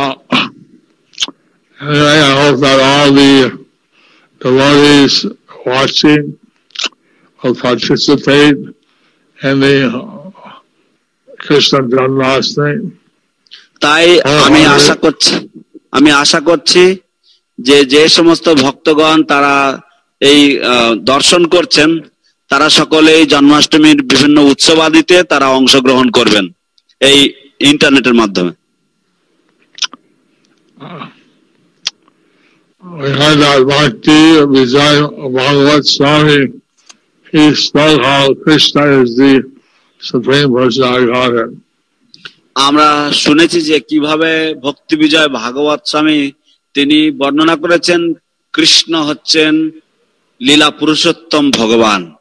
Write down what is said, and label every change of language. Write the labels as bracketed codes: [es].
[en] Anyway, I hope that all the devotees watching will participate in the Krishna Janmashtami. [bn] তাই আমি আশা করছি, আমি আশা করছি যে যে সমস্ত ভক্তগণ তারা এই দর্শন করছেন তারা সকলেই জন্মাষ্টমীর বিভিন্ন উৎসব আদিতে তারা অংশগ্রহণ করবেন এই ইন্টারনেটের মাধ্যমে। [en] We heard that Bhakti Vijay Bhagavat Swami, he spoke how Krishna is the Supreme Personality of Godhead. [bn] আমরা শুনেছি যে কিভাবে ভক্তি বিজয় ভাগবত স্বামী তিনি বর্ণনা করেছেন কৃষ্ণ হচ্ছেন লীলা পুরুষোত্তম ভগবান।